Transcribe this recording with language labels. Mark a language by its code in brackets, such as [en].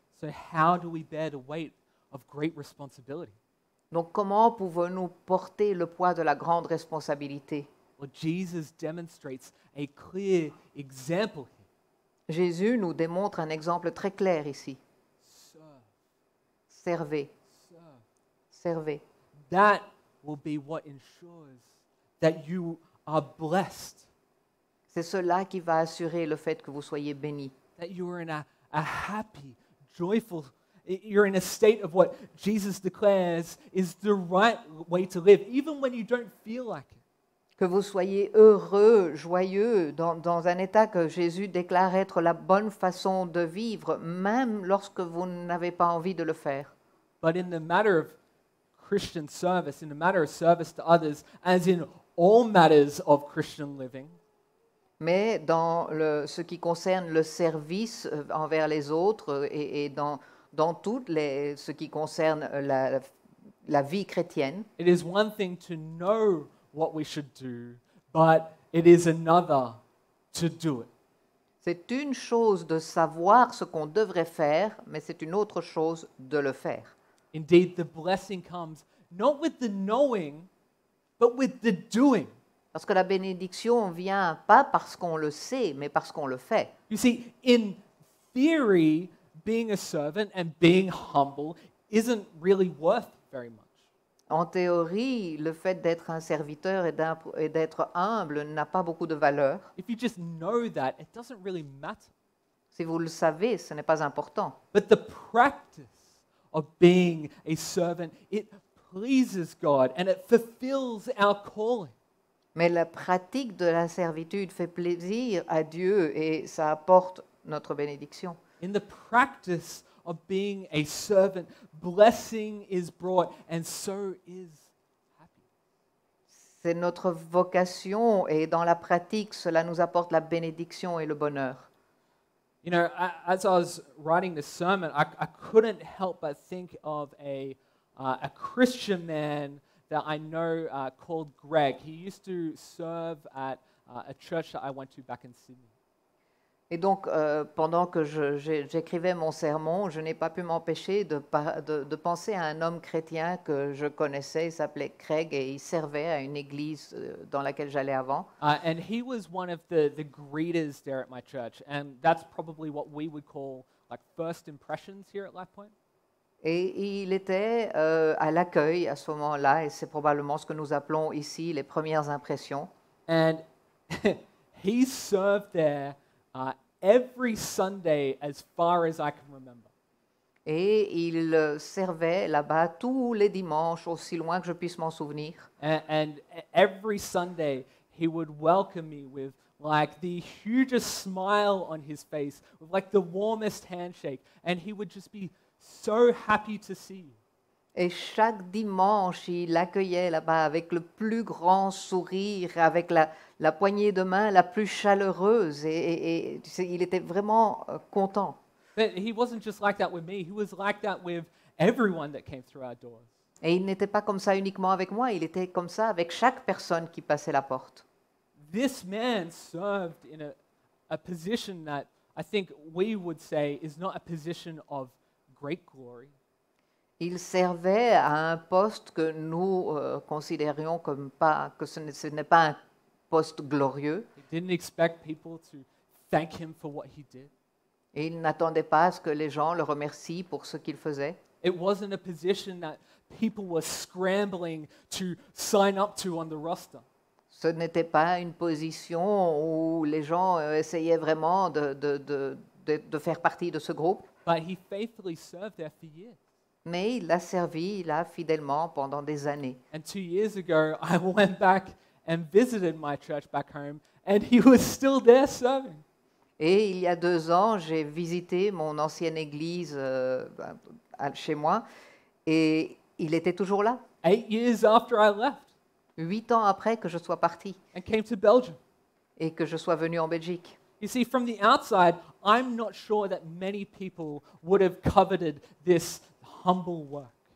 [en] So how do we bear the weight of great responsibility? [fr] Donc comment pouvons-nous porter le poids de la grande responsabilité? [en] Well, Jesus demonstrates a clear example here. [fr] Jésus nous démontre un exemple très clair ici. Servez. Servez. [en] That will be what ensures that you are blessed. [fr] C'est cela qui va assurer le fait que vous soyez béni. [en] That you are in a happy, joyful, you're in a state of what Jesus declares is the right way to live, even when you don't feel like it. [fr] Que vous soyez heureux, joyeux, dans un état que Jésus déclare être la bonne façon de vivre, même lorsque vous n'avez pas envie de le faire. [en] But in the matter of Christian service, in the matter of service to others, as in all matters of Christian living. [fr] Mais dans ce qui concerne le service envers les autres et dans tout ce qui concerne la vie chrétienne. [en] It is one thing to know what we should do, but it is another to do it. [fr] C'est une chose de savoir ce qu'on devrait faire, mais c'est une autre chose de le faire. [en] Indeed, the blessing comes not with the knowing, but with the doing. [fr] Parce que la bénédiction vient pas parce qu'on le sait, mais parce qu'on le fait. [en] You see, in theory, being a servant and being humble isn't really worth very much. [fr] En théorie, le fait d'être un serviteur et d'être humble n'a pas beaucoup de valeur. [en] If you just know that, it doesn't really matter. [fr] Si vous le savez, ce n'est pas important. [en] But the practice of being a servant, it pleases God and it fulfills our calling. [fr] Mais la pratique de la servitude fait plaisir à Dieu et ça apporte notre bénédiction. [en] In the practice of being a servant, blessing is brought and so is happiness. [fr] C'est notre vocation et dans la pratique, cela nous apporte la bénédiction et le bonheur. [en] You know, as I was writing this sermon, I couldn't help but think of a Christian man that I know called Greg. He used to serve at a church that I went to back in Sydney. [fr] Et donc, pendant que j'écrivais mon sermon, je n'ai pas pu m'empêcher de penser à un homme chrétien que je connaissais. Il s'appelait Craig et il servait à une église dans laquelle j'allais avant. [en] And he was one of the greeters there at my church. And that's probably what we would call like first impressions here at Life Point. [fr] Et il était à l'accueil à ce moment-là et c'est probablement ce que nous appelons ici les premières impressions. [en] And he served there every Sunday, as far as I can remember. [fr] Et il servait là-bas tous les dimanches, aussi loin que je puisse m'en souvenir. [en] And every Sunday, he would welcome me with like the hugest smile on his face, with like the warmest handshake, and he would just be so happy to see you. [fr] Et chaque dimanche, il accueillait là-bas avec le plus grand sourire, avec la poignée de main la plus chaleureuse. Et tu sais, il était vraiment content. [en] But he wasn't just like that with me. He was like that with everyone that came through our doors. [fr] Et il n'était pas comme ça uniquement avec moi. Il était comme ça avec chaque personne qui passait la porte. [en] This man served in a position that I think we would say is not a position of great glory. [fr] Il servait à un poste que nous considérions comme pas, que ce n'est pas un poste glorieux. [en] He didn't expect people to thank him for what he did. [fr] Et il n'attendait pas à ce que les gens le remercient pour ce qu'il faisait. [en] It wasn't a position that people were scrambling to sign up to on the roster. [fr] Ce n'était pas une position où les gens essayaient vraiment de faire partie de ce groupe. [en] But he faithfully served there for years. [fr] Mais il a servi là fidèlement pendant des années. [en] And 2 years ago, I went back and visited my church back home, and he was still there serving. [fr] Et il y a 2 ans, j'ai visité mon ancienne église chez moi, et il était toujours là. [en] 8 years after I left. [fr] 8 ans après que je sois parti. [en] And came to Belgium. [fr] Et que je sois venu en Belgique. [en] You see, from the outside, I'm not sure that many people would have coveted this humble work.